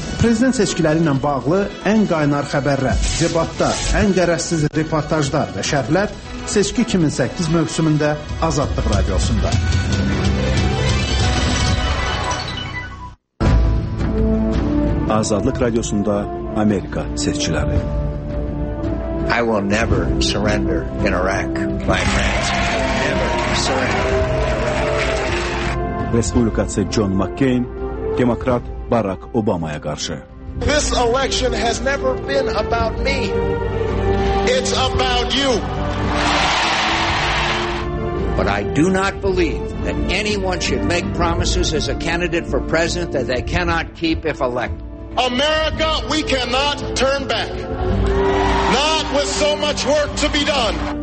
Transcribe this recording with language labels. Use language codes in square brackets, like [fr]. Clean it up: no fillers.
[az] Prezident seçkiləri ilə bağlı ən qaynar xəbərlər, debatlar, ən qərəzsiz reportajlar və şərhlər seçki 2008 mövsümündə Azadlıq radiosunda. Azadlıq Radyosunda Amerika seçkiləri. [en] I will never surrender in Iraq, my friends. Never surrender. [az] Respublikacı John McCain, Demokrat Barack Obama'ya karşı. [en] This election has never been about me. It's about you. But I do not believe that anyone should make promises as a candidate for president that they cannot keep if elected. America, we cannot turn back. Not with so much work to be done.